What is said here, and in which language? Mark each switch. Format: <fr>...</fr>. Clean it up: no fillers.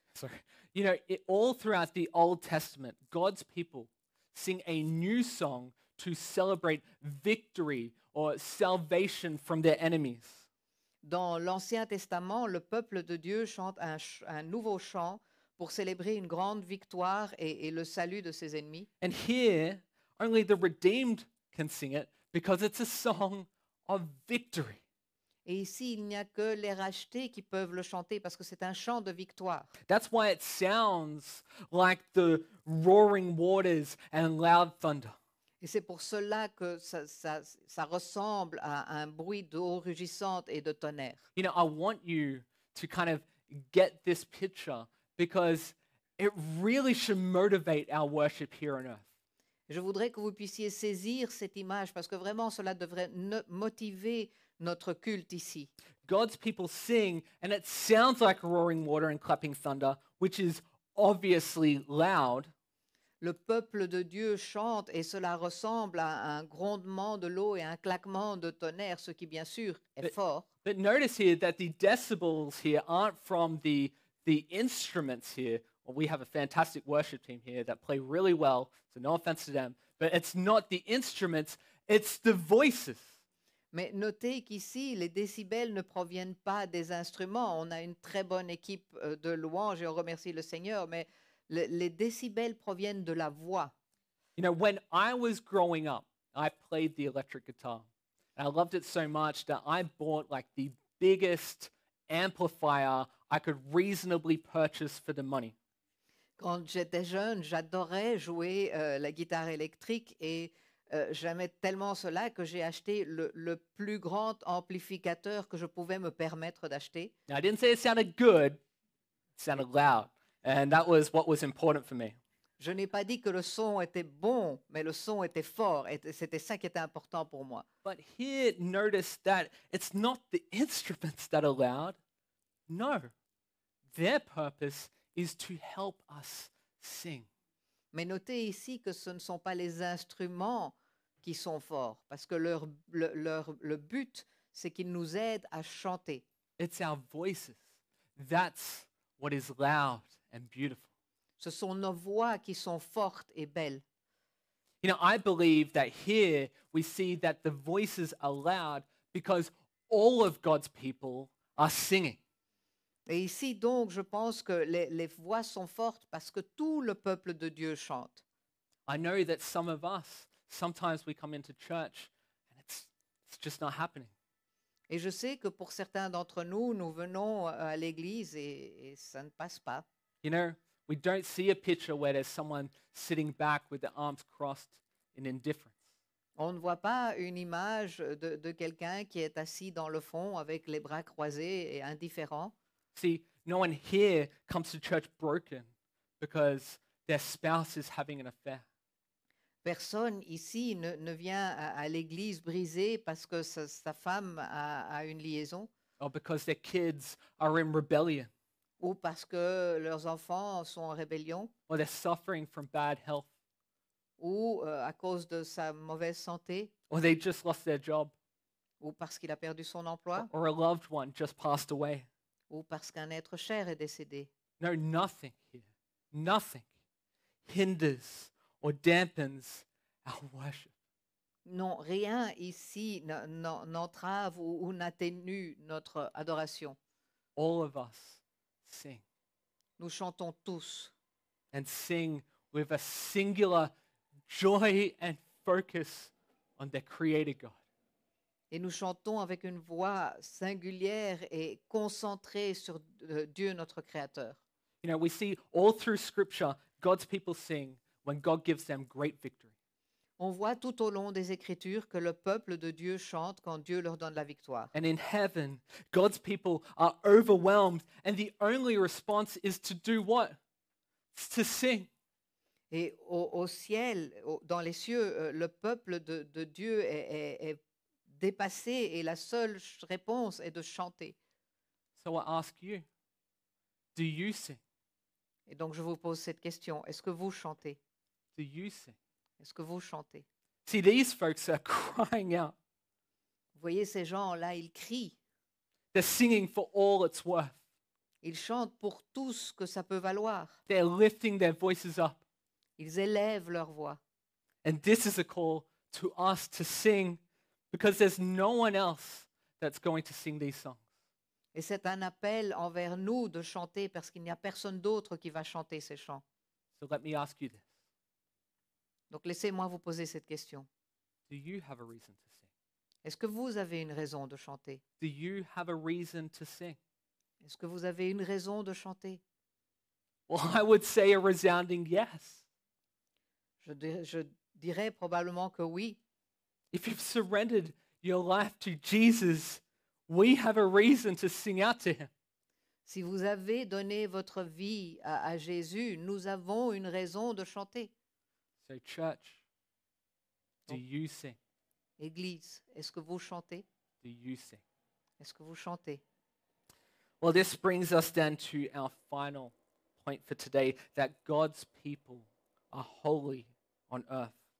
<en>Sorry. You know, all throughout the Old Testament, God's people sing a new song to celebrate victory or salvation from their enemies.</en> <fr>Dans l'Ancien Testament, le peuple de Dieu chante un nouveau chant pour célébrer une grande victoire et le salut de ses ennemis.</fr> <en>And here, only the redeemed can sing it, because it's a song of victory.</en> <fr>Et ici, il n'y a que les rachetés qui peuvent le chanter parce que c'est un chant de victoire.</fr> <en>That's why it sounds like the roaring waters and loud thunder.</en> <fr>Et c'est pour cela que ça ressemble à un bruit d'eau rugissante et de tonnerre.</fr> <en>You know, I want you to kind of get this picture because it really should motivate our worship here on earth.</en> <fr>Je voudrais que vous puissiez saisir cette image parce que vraiment cela devrait motiver notre culte ici.</fr> <en>God's people sing and it sounds like roaring water and clapping thunder, which is obviously loud.</en> <fr>Le peuple de Dieu chante et cela ressemble à un grondement de l'eau et un claquement de tonnerre, ce qui bien sûr est fort.</fr> <en>But notice here that the decibels here aren't from the instruments here. Well, we have a fantastic worship team here that play really well, so no offense to them. But it's not the instruments, it's the voices.</en> <fr>Mais notez qu'ici, les décibels ne proviennent pas des instruments. On a une très bonne équipe de louanges et on remercie le Seigneur, mais les décibels proviennent de la voix.</fr> <en>You know, when I was growing up, I played the electric guitar. And I loved it so much that I bought like the biggest amplifier I could reasonably purchase for the money.</en> <fr>Quand j'étais jeune, j'adorais jouer la guitare électrique et j'aimais tellement cela que j'ai acheté le plus grand amplificateur que je pouvais me permettre d'acheter.</fr> <en>Now, I didn't say it sounded good, it sounded loud. And that was what was important for me.</en> <fr>Je n'ai pas dit que le son était bon, mais le son était fort, et c'était ça qui était important pour moi.</fr> <en>But he noticed that it's not the instruments that are loud. No, their purpose is to help us sing.</en> <fr>Mais notez ici que ce ne sont pas les instruments qui sont forts, parce que le but, c'est qu'ils nous aident à chanter.</fr> <en>It's our voices. That's what is loud and beautiful.</en> <fr>Ce sont nos voix qui sont fortes et belles.</fr> <en>You know, I believe that here we see that the voices are loud because all of God's people are singing.</en> <fr>Et ici donc, je pense que les voix sont fortes parce que tout le peuple de Dieu chante.</fr> <en>I know that some of us, sometimes we come into church and it's just not happening.</en> <fr>Et je sais que pour certains d'entre nous, nous venons à l'église et ça ne passe pas.</fr> <en>You know, we don't see a picture where there's someone sitting back with their arms crossed in indifference.</en> <fr>On ne voit pas une image de quelqu'un qui est assis dans le fond avec les bras croisés et indifférent.</fr> <en>See, no one here comes to church broken because their spouse is having an affair.</en> <fr>Personne ici ne vient à l'église brisée parce que sa femme a une liaison.</fr> <en>Or because their kids are in rebellion.</en> <fr>Ou parce que leurs enfants sont en rébellion.</fr> <en>Or they're suffering from bad health.</en> <fr>Ou à cause de sa mauvaise santé.</fr> <en>Or they just lost their job.</en> <fr>Ou parce qu'il a perdu son emploi.</fr> <en>Or a loved one just passed away.</en> <fr>Ou parce qu'un être cher est décédé.</fr> <en>No, nothing here. Nothing hinders or dampens our worship.</en> <fr>Non, rien ici n'entrave ou n'atténue notre adoration.</fr> <en>All of us. Sing.</en> <fr>Nous chantons tous.</fr> <en>And sing with a singular joy and focus on their Creator God.</en> <fr>Et nous chantons avec une voix singulière et concentrée sur Dieu notre Créateur.</fr> <en>You know, we see all through Scripture God's people sing when God gives them great victory.</en> <fr>On voit tout au long des Écritures que le peuple de Dieu chante quand Dieu leur donne la victoire.</fr> <en>And in heaven, God's people are overwhelmed, and the only response is to do what? It's to sing.</en> <fr>Et au ciel, dans les cieux, le peuple de Dieu est dépassé, et la seule réponse est de chanter.</fr> <en>So I ask you, do you sing?</en> <fr>Et donc je vous pose cette question, est-ce que vous chantez?</fr> <en>Do you sing?</en> <fr>Est-ce que vous chantez?</fr> <en>See, these folks are crying out.</en> <fr>Vous voyez ces gens-là, ils crient.</fr> <en>They're singing for all it's worth.</en> <fr>Ils chantent pour tout ce que ça peut valoir.</fr> <en>They're lifting their voices up.</en> <fr>Ils élèvent leur voix.</fr> <en>And this is a call to us to sing because there's no one else that's going to sing these songs.</en> <fr>Et c'est un appel envers nous de chanter parce qu'il n'y a personne d'autre qui va chanter ces chants.</fr> <en>So let me ask you this.</en> <fr>Donc, laissez-moi vous poser cette question.</fr> <en>Do you have a reason to sing?</en> <fr>Est-ce que vous avez une raison de chanter?</fr> <en>Do you have a reason to sing?</en> <fr>Est-ce que vous avez une raison de chanter?</fr> <en>Well, I would say a resounding yes.</en> <fr>Je dirais probablement que oui.</fr> <en>If you've surrendered your life to Jesus, we have a reason to sing out to him.</en> <fr>Si vous avez donné votre vie à Jésus, nous avons une raison de chanter.</fr> <en>So church, do you sing?</en> <fr>Église, est-ce que vous chantez?</fr> <en>Do you sing?</en> <fr>Est-ce que vous chantez?</fr> <en>Well, this brings us then to our final point for today, that God's people are holy on earth.</en>